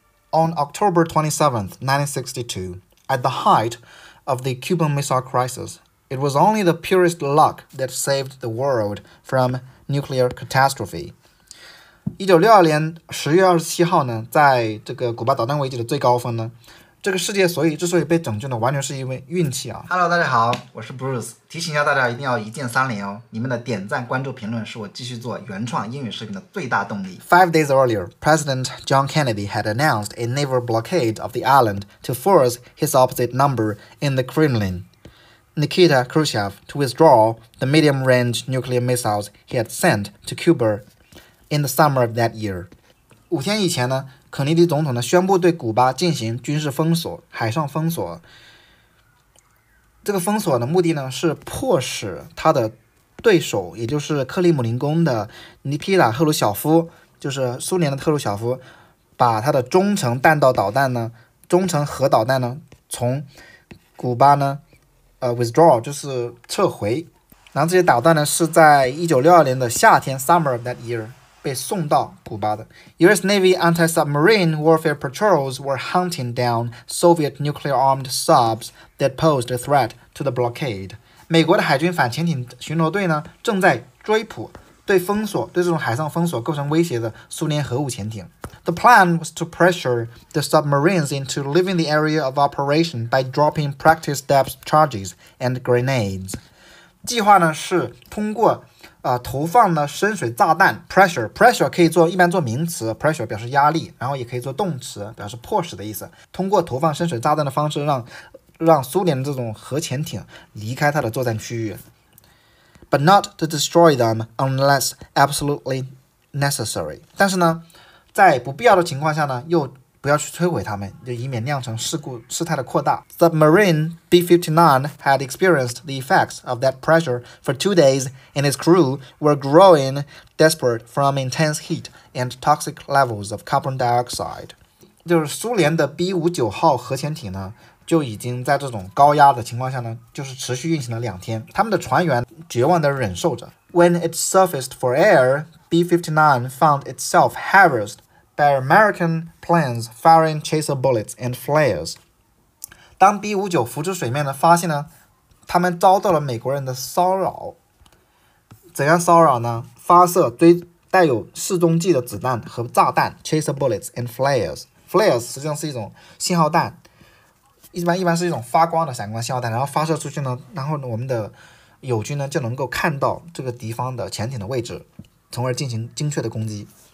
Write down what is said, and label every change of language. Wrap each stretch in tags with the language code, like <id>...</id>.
<en>On October 27th 1962 at the height of the Cuban Missile CrisisIt was only the purest luck that saved the world from nuclear catastrophe.</en> <zh>1962年10月27号呢，在这个古巴导弹危机的最高峰呢，这个世界之所以被拯救呢，完全是因为运气啊。 Hello， 大家好，我是 Bruce。提醒一下大家，一定要一键三连哦！你们的点赞、关注、评论是我继续做原创英语视频的最大动力。</zh> <en>Five days earlier, President John Kennedy had announced a naval blockade of the island to force his opposite number in the Kremlin. Nikita Khrushchev to withdraw the medium-range nuclear missiles he had sent to Cuba in the summer of that year.</en> <zh>五天以前呢，肯尼迪总统呢宣布对古巴进行军事封锁，海上封锁。这个封锁的目的呢是迫使他的对手，也就是克里姆林宫的尼皮塔赫鲁晓夫，就是苏联的赫鲁晓夫，把他的中程弹道导弹呢，中程核导弹呢，从古巴呢。 withdraw 就是撤回，然后这些导弹呢是在1962年的夏天</zh> <en>summer of that year</en> <zh>被送到古巴的。</zh> <en>US Navy anti-submarine warfare patrols were hunting down Soviet nuclear-armed subs that posed a threat to the blockade.</en> <zh>美国的海军反潜艇巡逻队呢正在追捕对封锁对这种海上封锁构成威胁的苏联核武潜艇。</zh> <en>The plan was to pressure the submarines into leaving the area of operation by dropping practice depth charges and grenades.</en> <zh>计划呢是通过投放呢深水炸弹 pressure 可以做一般做名词 pressure 表示压力，然后也可以做动词表示迫使的意思。通过投放深水炸弹的方式让苏联的这种核潜艇离开它的作战区域。</zh> <en>But not to destroy them unless absolutely necessary.</en> <zh>但是呢在不必要的情况下呢又不要去摧毁它们，就以免酿成事态的扩大。</zh> <en>Submarine B-59 had experienced the effects of that pressure for 2 days and its crew were growing desperate from intense heat and toxic levels of carbon dioxide.</en> <zh>就是苏联的 B-59 号核潜艇呢就已经在这种高压的情况下呢就是持续运行了2天，他们的船员绝望地忍受着。</zh> <en>When it surfaced for air, B-59 found itself harassed by American planes firing chaser bullets and flares.</en> <zh>当 B-59 浮出水面呢发现呢他们遭到了美国人的骚扰。怎样骚扰呢？发射带有示踪剂的子弹和炸弹</zh> <en>chaser bullets and flares.</en> <zh>Flares 实际上是一种信号弹。一般是一种发光的闪光信号弹，然后发射出去呢，然后我们的友军呢就能够看到这个敌方的潜艇的位置，从而进行精确的攻击。</zh>